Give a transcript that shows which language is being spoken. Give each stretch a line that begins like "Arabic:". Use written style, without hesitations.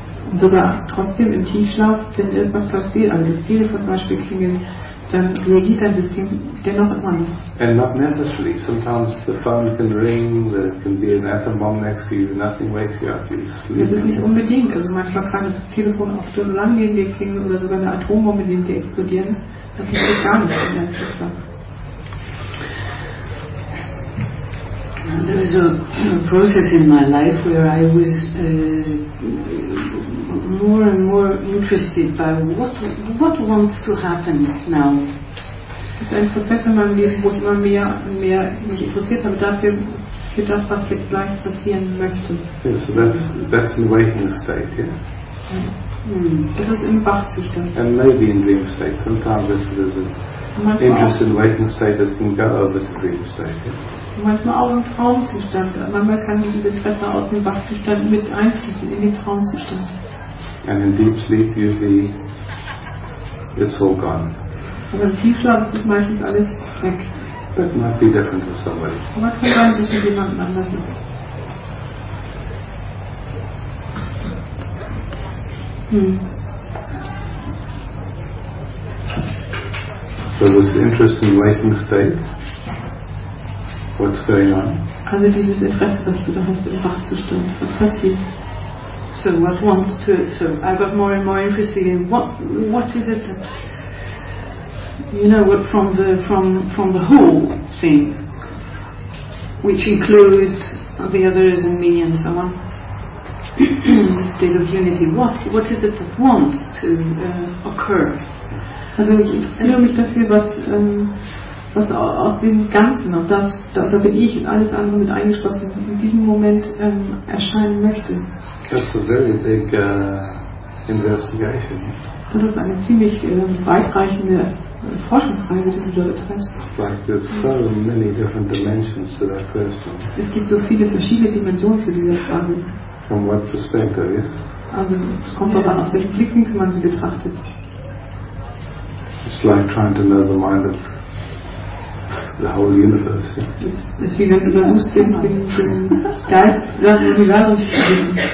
German: Und sogar trotzdem im Tiefschlaf, wenn irgendwas passiert, also das Telefon zum Beispiel klingelt, dann reagiert dein System dennoch immer noch.
English: And not necessarily. Sometimes the phone can ring, there can be an atom bomb next to you, nothing wakes you up, you sleep.
German: Das ist nicht unbedingt. Also manchmal kann das Telefon auch stundenlang gehen, wir klingeln oder sogar eine Atombombe, die wir explodieren. Das ist gar nicht in deinem Tiefschlaf.
English: There is a very famous process in my life where I was more and more interested by what wants to happen now.
German: Es ist ein Prozess in meinem Leben, wo ich immer mehr und mehr mich interessiert habe für das, was jetzt gleich passieren möchte.
English: Yeah, so that's in waking state, yeah?
German: Das ist im Wachzustand.
English: And maybe in dream state. Sometimes if there's an interest in waking state, it can go over to dream state, yeah?
German: Manchmal auch im Traumzustand. Manchmal kann dieses Interesse aus dem Wachzustand mit einfließen in den Traumzustand.
English: And in deep sleep usually it's all gone.
German: Aber im Tiefschlaf ist meistens alles weg.
English: That might be different for somebody.
German: Aber kann sein, dass es für jemanden anders ist.
English: So this interest in waking state. What's going on?
German: Also dieses Interesse, was du da hast im Wachzustand, was passiert?
English: So what wants to? So I got more and more interested in what is it that, you know, what from the whole thing, which includes the others and me and so on, the state of unity. What is it that wants to occur?
German: Also ich interessiere mich dafür, was aus dem Ganzen und das, da bin ich und alles andere mit eingeschlossen, in diesem Moment erscheinen möchte.
English: That's a very big investigation.
German: Das ist eine ziemlich weitreichende Forschungsreise, die du da betreibst.
English: Like there's so many different dimensions to that question.
German: Es gibt so viele verschiedene Dimensionen zu dieser Frage.
English: From what perspective? Yeah?
German: Also es kommt darauf an, aus welchem Blickwinkel man sie betrachtet.
English: It's like trying to know the mind of the whole universe. Yeah.
German: Es ist wie wenn du versuchst, den Geist des Universums zu wissen.